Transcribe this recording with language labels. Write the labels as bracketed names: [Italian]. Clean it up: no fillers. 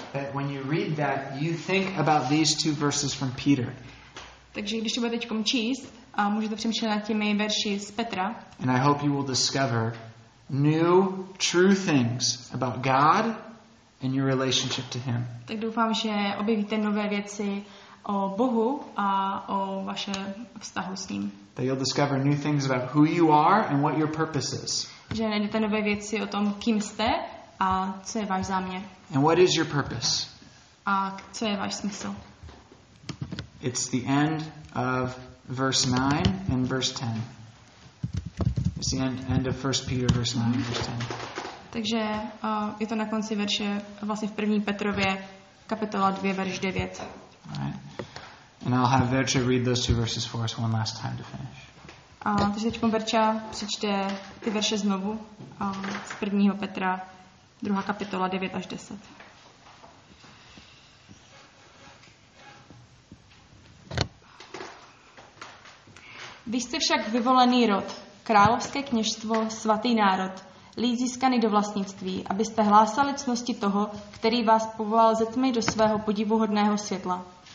[English] That when you read that, you think about these two verses from Peter. [Czech] Takže když to budete teďkom číst, a můžete přemýšlet nad těmi verši z Petra. [English] And I hope you will discover new true things about God and your relationship to him. [Czech] Tak doufám, že objevíte nové věci o Bohu a o vaše vztahu s ním. [English] That you'll discover new things about who you are and what your purpose is. [Czech] Že nájdete nové věci o tom, kým jste a co je váš záměr. [English] And what is your purpose? [Czech] A co je váš smysl? [English] It's the end of verse 9 and verse 10. It's the end of 1 Peter verse 9 and verse 10. [Czech] Takže je to na konci verše, vlastně v 1. Petrově, kapitola 2, verš 9. [English] Right. And I'll have Verča read those two verses for us one last time to finish. [Czech] Takže teď Verča přečte ty verše znovu z 1. Petra, 2. kapitola 9 až 10. Vy jste však vyvolený rod, královské kněžstvo, svatý národ, lid získaný do vlastnictví, abyste hlásali cnosti toho, který vás povolal ze tmy do svého podivuhodného světla.